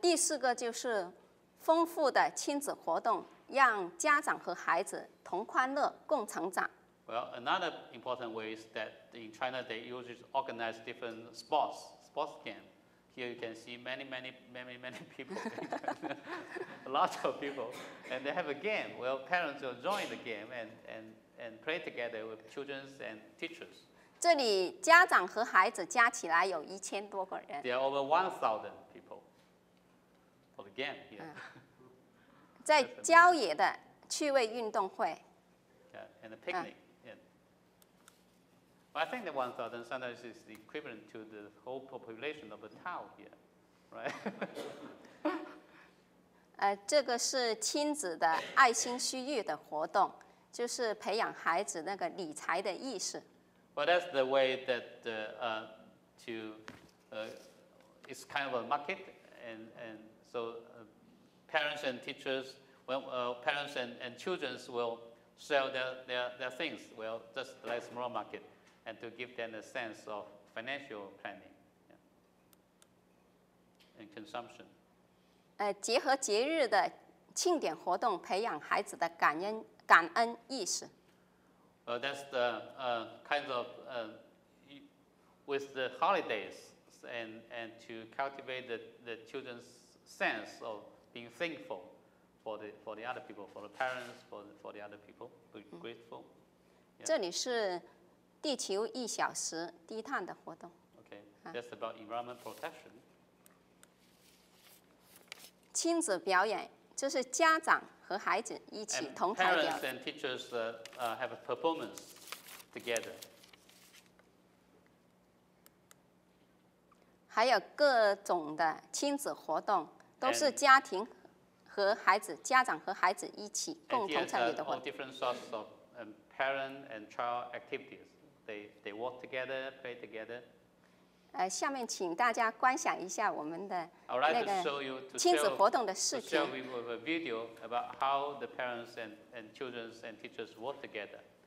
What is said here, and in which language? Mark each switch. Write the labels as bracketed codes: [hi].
[zh] 第四个就是丰富的亲子活动，让家长和孩子同欢乐共成长。 [en] Well, another important way is that in China they usually organize different sports games. Here you can see many people, a lot of people, and they have a game. Well, parents will join the game and play together with children and teachers. [zh] 这里家长和孩子加起来有1000多个人。 [en] There are over 1,000 people. Again, yeah. [zh] 在郊野的趣味运动会。 [en] Yeah, and a picnic. Yeah. Well, I think the 1,000 sometimes is the equivalent to the whole population of the town here, right? [zh] 这个是亲子的爱心需欲的活动，就是培养孩子那个理财的意识。 [en] Well, that's the way that it's kind of a market and. So parents and teachers, parents and children will sell their things, well, just like small market, and to give them a sense of financial planning yeah, and consumption. [zh] 结合节日的庆典活动，培养孩子的感恩意识。 [en] Well, that's the kind of, with the holidays and to cultivate the children'sSense of being thankful for the other people, for the parents, for the other people, be grateful. Yeah. [zh] 这里是地球一小时低碳的活动。 [en] Okay, that's about environment protection. [zh] 亲子表演就是家长和孩子一起同台表演。 [en] And parents and teachers have a performance together. [zh] 还有各种的亲子活动。都是家庭和孩子，家长和孩子一起共同参与的活动。 [en] Different sorts of parent and child activities. They work together, play together. [zh] 下面请大家观赏一下我们的那个亲子活动的视频。 [en] I'd like to show you a video about how the parents and children and teachers work together.